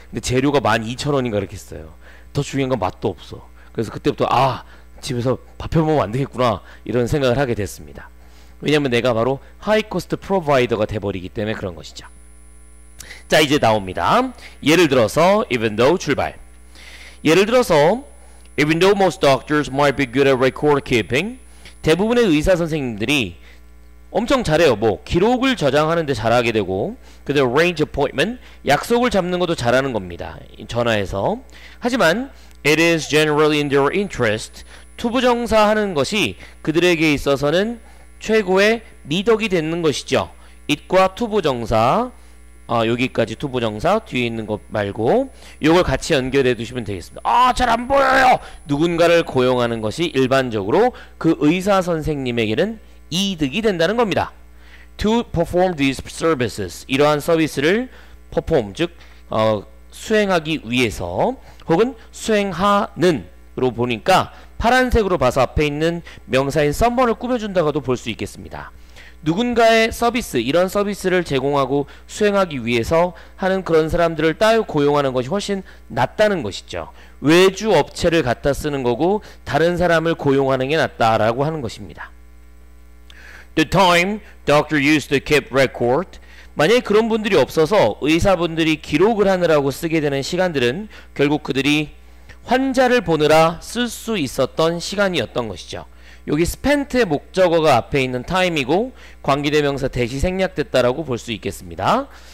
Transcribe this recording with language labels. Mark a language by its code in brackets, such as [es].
[ko] 근데 재료가 12,000원인가 이렇게 써요. 더 중요한 건 맛도 없어. 그래서 그때부터 아 집에서 밥 해먹으면 안 되겠구나 이런 생각을 하게 됐습니다. 왜냐면 내가 바로 하이 코스트 프로바이더가 돼버리기 때문에 그런 것이죠. 자 이제 나옵니다. 예를 들어서 [en] even though [ko] 출발. 예를 들어서 [en] even though most doctors might be good at record keeping, [ko] 대부분의 의사 선생님들이 엄청 잘해요. 뭐 기록을 저장하는 데 잘하게 되고, 그다음 [en] arrange appointment, [ko] 약속을 잡는 것도 잘하는 겁니다. 전화해서. 하지만 [en] it is generally in their interest, [ko] 투부정사하는 것이 그들에게 있어서는 최고의 미덕이 되는 것이죠. it과 투부정사, 여기까지 투부정사 뒤에 있는 것 말고 이걸 같이 연결해 두시면 되겠습니다. 아, 잘 안 보여요. 누군가를 고용하는 것이 일반적으로 그 의사 선생님에게는 이득이 된다는 겁니다. [en] To perform these services, [ko] 이러한 서비스를 perform, 즉 수행하기 위해서, 혹은 수행하는으로 보니까 파란색으로 봐서 앞에 있는 명사인 someone을 꾸며준다고도 볼 수 있겠습니다. 누군가의 서비스, 이런 서비스를 제공하고 수행하기 위해서 하는 그런 사람들을 따로 고용하는 것이 훨씬 낫다는 것이죠. 외주 업체를 갖다 쓰는 거고 다른 사람을 고용하는 게 낫다라고 하는 것입니다. [en] The time doctor used to keep record. [ko] 만약에 그런 분들이 없어서 의사분들이 기록을 하느라고 쓰게 되는 시간들은 결국 그들이 환자를 보느라 쓸 수 있었던 시간이었던 것이죠. 여기 spent의 목적어가 앞에 있는 time이고 관계대명사 대시 생략됐다라고 볼 수 있겠습니다.